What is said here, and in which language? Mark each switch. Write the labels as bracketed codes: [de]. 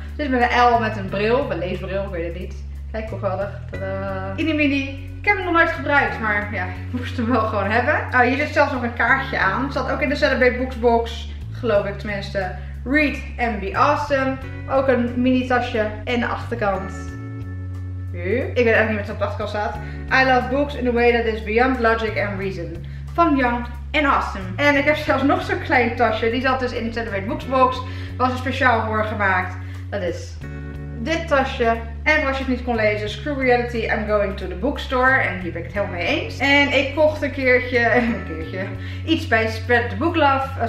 [nl] Dit is met een L met een bril. Een leesbril, ik weet het niet. Kijk, hoe geweldig. Tadaa. In die mini. Ik heb hem nog nooit gebruikt, maar ja, ik moest hem wel gewoon hebben. Oh, hier zit zelfs nog een kaartje aan. Het zat ook in de Celebrate Books box, geloof ik tenminste. [en] Read and be awesome. [nl] Ook een mini tasje. En de achterkant. Ik weet eigenlijk niet wat op de achterkant staat. [en] I love books in a way that is beyond logic and reason. [nl] Van Young en awesome. En ik heb zelfs nog zo'n klein tasje. Die zat dus in de Celebrate Books box. Was er speciaal voor gemaakt. Dat is... dit tasje. En als je het niet kon lezen, [en] Screw Reality, I'm going to the bookstore. [nl] En hier ben ik het helemaal mee eens. En ik kocht een keertje, iets bij Spread the Book Love.